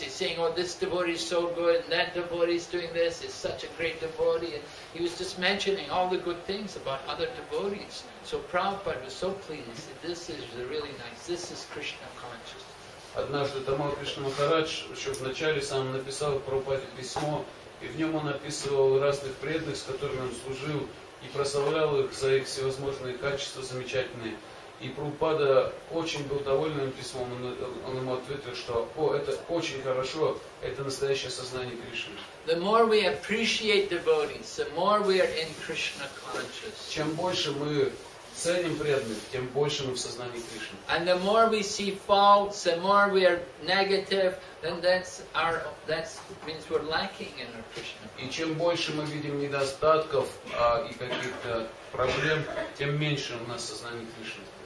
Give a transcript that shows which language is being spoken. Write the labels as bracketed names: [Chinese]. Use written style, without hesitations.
[English] He's saying, oh, this devotee is so good, and that devotee is doing this, he's such a great devotee. And he was just mentioning all the good things about other devotees. So Prabhupada was so pleased. He said, this is really nice. This is Krishna consciousness. [Russian] Однажды Atamal Krishna Maharaj еще вначале сам написал Прабхупаде письмо, и в нем он описывал разных преданных, с которыми он служил, и прославлял их за их всевозможные качества замечательные. И Прабхупада очень был доволен этим письмом, он ему ответил, что «О, это очень хорошо, это настоящее сознание Кришны». [English] The more we appreciate devotees, the more we are in Krishna consciousness. [Russian] Чем больше мы ценим преданных, тем больше мы в сознании Кришны. [English] And the more we see faults, the more we are negative, then that means we're lacking in our Krishna. [Russian] И чем больше мы видим недостатков и каких-то проблем, тем меньше у нас сознание Кришны.